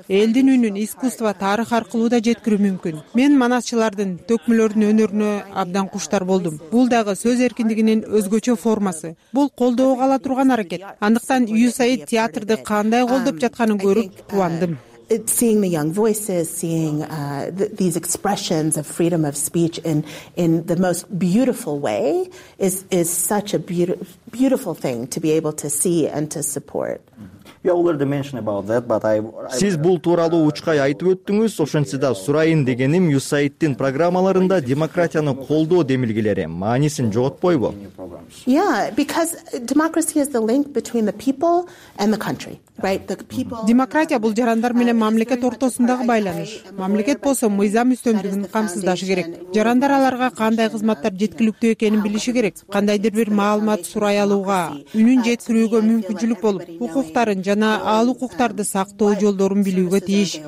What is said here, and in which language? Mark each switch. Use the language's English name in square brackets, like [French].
[Kyrgyz] Элдин үнүн искусство, тарых аркылуу да жеткирүү мүмкүн. Мен манасчылардын, төкмөлөрдүн өнөрүнө абдан куштар болдум. Бул дагы сөз эркиндигинин өзгөчө формасы. Бул колдоого ала турган аракет. Андыктан USAID театрды кандай колдоп жатканын көрүп кубандым. [English] Seeing the young voices, seeing these expressions of freedom of speech in the most beautiful way is such a beautiful thing to be able to see and to support. You already mentioned about that, but I... [Kyrgyz] Сиз бул тууралуу учкай айтып өттүңүз. Ошентсе да сурайын дегеним, USAID'тин программаларында демократияны колдоо демилгелери маанисин жоготпойбу? [English] Yeah, because democracy is the link between the people and the country. Right, the people. [Kyrgyz] Демократия бул жарандар менен мамлекет ортосундагы байланыш. Мамлекет болсо мыйзам үстөмдүгүн камсыздашы керек. Жарандар аларга кандай кызматтар жеткиликтүү экенин билиши керек. Кандайдыр бир маалымат сурай алууга, үнүн жеткирүүгө мүмкүнчүлүк болуп, укуктарын жана ал укуктарды сактоо жолдорун билүүгө тийиш.